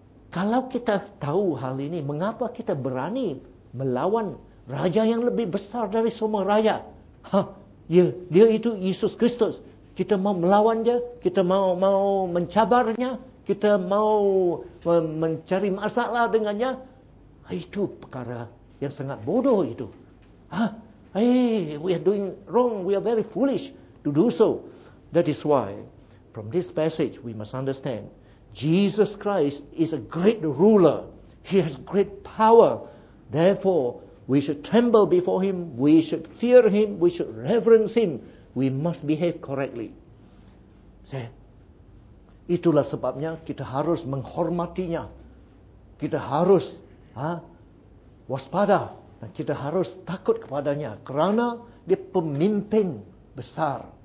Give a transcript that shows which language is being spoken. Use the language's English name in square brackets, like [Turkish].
[Malay] Kalau kita tahu hal ini, mengapa kita berani melawan raja yang lebih besar dari semua raja? Dia itu Yesus Kristus. Kita mau melawan dia, kita mau mencabarnya, kita mau mencari masalah dengannya. Itu perkara yang sangat bodoh itu. [English] We are doing wrong. We are very foolish to do so. That is why, from this passage, we must understand Jesus Christ is a great ruler. He has great power. Therefore, we should tremble before him. We should fear him. We should reverence him. We must behave correctly. See? [Malay] Itulah sebabnya kita harus menghormatinya. Kita harus waspada. Dan kita harus takut kepadanya. Kerana dia pemimpin besar.